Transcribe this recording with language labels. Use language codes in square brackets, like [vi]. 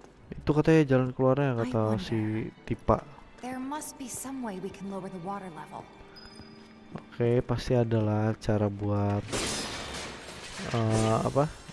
[id] Itu katanya jalan keluarnya, kata si Tipa. [en] There must be some way we can lower the water level. [id] Oke, pasti adalah cara buat apa?